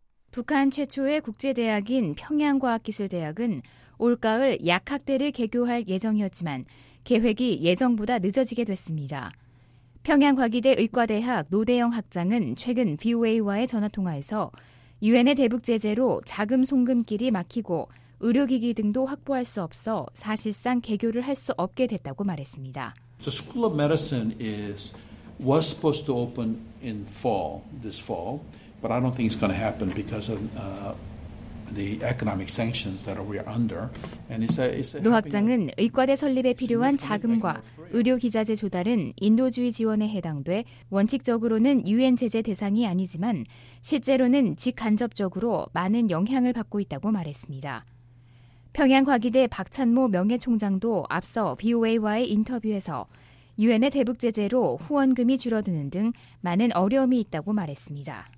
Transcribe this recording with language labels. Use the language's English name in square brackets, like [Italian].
[Korean] 북한 최초의 국제대학인 평양과학기술대학은 올가을 약학대를 개교할 예정이었지만 계획이 예정보다 늦어지게 됐습니다. 평양과기대 의과대학 노대영 학장은 최근 VOA와의 전화통화에서 유엔의 대북 제재로 자금 송금길이 막히고 의료기기 등도 확보할 수 없어 사실상 개교를 할 수 없게 됐다고 말했습니다. [English] The School of Medicine was supposed to open in fall, this fall, but I don't think it's going to happen because of the economic sanctions that we are under. And it's [Korean] 노 학장은 의과대 설립에 필요한 자금과 의료 기자재 조달은 인도주의 지원에 해당돼 원칙적으로는 유엔 제재 대상이 아니지만 실제로는 직간접적으로 많은 영향을 받고 있다고 말했습니다. 평양과기대 박찬모 명예총장도 앞서 VOA와의 인터뷰에서 유엔의 대북 제재로 후원금이 줄어드는 등 많은 어려움이 있다고 말했습니다.